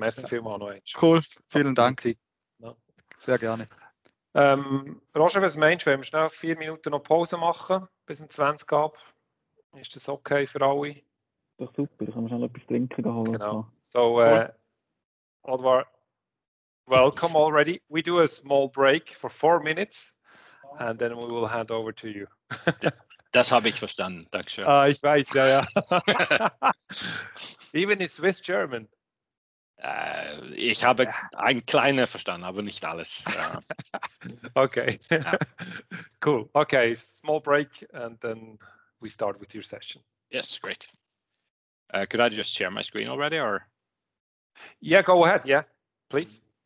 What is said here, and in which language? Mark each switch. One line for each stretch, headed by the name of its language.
German: Merci vielmals noch einmal. Cool, vielen Dank. Ja. Sehr gerne. Roger, was meinst du, wenn wir schnell 4 Minuten noch Pause machen, bis um 20 ab? Ist das okay für alle? Doch super, dann können wir schnell etwas trinken holen. Genau, so cool. Oddvar,
English: welcome already. We do a small break for 4 minutes and then we will hand over to you.
German: Das habe ich verstanden. Dankeschön. Ich weiß, ja, ja.
English: Even in Swiss German.
German: Ich habe ein kleines verstanden, aber nicht alles. Okay. Cool.
English: Okay, small break and then we start with your session. Yes, great. Could I just share my screen already or? Yeah, go ahead. Yeah, please.